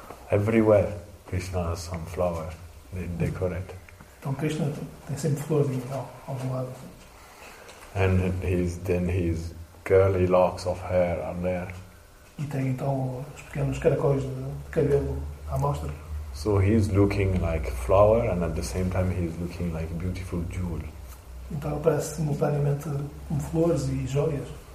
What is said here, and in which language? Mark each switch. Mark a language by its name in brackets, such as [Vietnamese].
[English] Everywhere Krishna has some flower, they decorate. [Portuguese] Então Krishna tem sempre flores em algum lado. [English] And his curly locks of hair are there. [Portuguese] E tem então os pequenos caracóis de cabelo à mostra. [English] So he's looking like flower and at the same time he's looking like a beautiful jewel. [Portuguese] Então aparece simultaneamente com flores e joias.